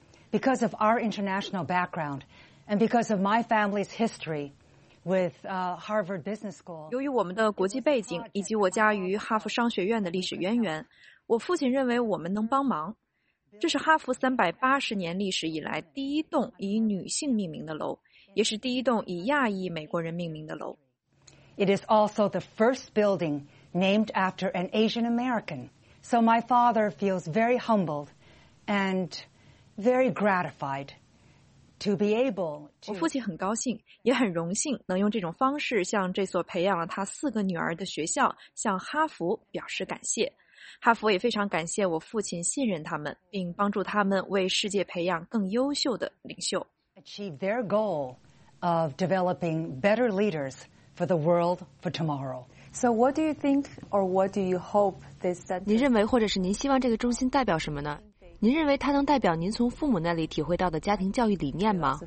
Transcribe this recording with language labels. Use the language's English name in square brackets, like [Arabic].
[English] Because of our international background and because of my family's history with Harvard Business School. [Chinese] 由于我们的国际背景以及我家与哈佛商学院的历史渊源，我父亲认为我们能帮忙。这是哈佛380年历史以来第一栋以女性命名的楼，也是第一栋以亚裔美国人命名的楼。 [English] It is also the first building named after an Asian American. So my father feels very humbled and very gratified to be able. [Chinese] 我父亲很高兴，也很荣幸能用这种方式向这所培养了他四个女儿的学校，向哈佛表示感谢。哈佛也非常感谢我父亲信任他们，并帮助他们为世界培养更优秀的领袖。 [English] Achieve their goal of developing better leaders for the world for tomorrow. So what do you think or what do you hope this center? [Chinese] 您认为或者是您希望这个中心代表什么呢？您认为它能代表您从父母那里体会到的家庭教育理念吗？